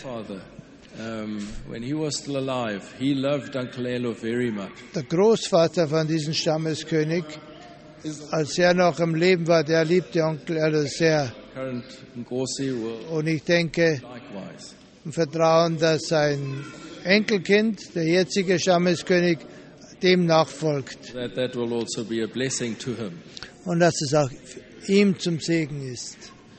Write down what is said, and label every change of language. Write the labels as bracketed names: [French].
[English] Father, when he was still alive, he loved Uncle Elo very much. [German] Der Großvater von diesem Stammeskönig, als er noch im Leben war, der liebte Onkel Elo sehr. [English] Current Inkosi will [German] und ich denke, [English] like [German] und vertrauen, dass sein Enkelkind, der jetzige Schammeskönig, dem nachfolgt. [English] That will also be a blessing to him. [German] Und dass es auch ihm zum Segen ist.